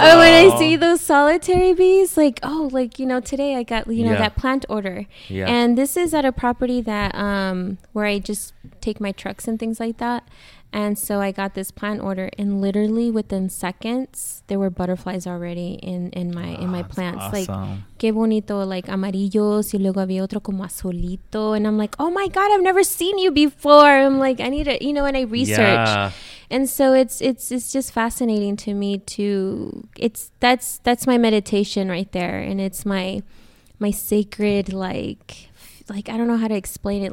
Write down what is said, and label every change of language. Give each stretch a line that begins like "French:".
English: Or when I see those solitary bees, like, oh, like, you know, today I got, you know, that plant order. Yeah. And this is at a property that, where I just take my trucks and things like that. And so I got this plant order, and literally within seconds, there were butterflies already in my plants. Awesome.
Spanish: Like, qué bonito, like amarillos, y luego había otro como azulito.
English: And I'm like, oh my God, I've never seen you before. I'm like, I need to, you know, and I research. Yeah. And so it's just fascinating to me that's my meditation right there. And it's my sacred, like I don't know how to explain it.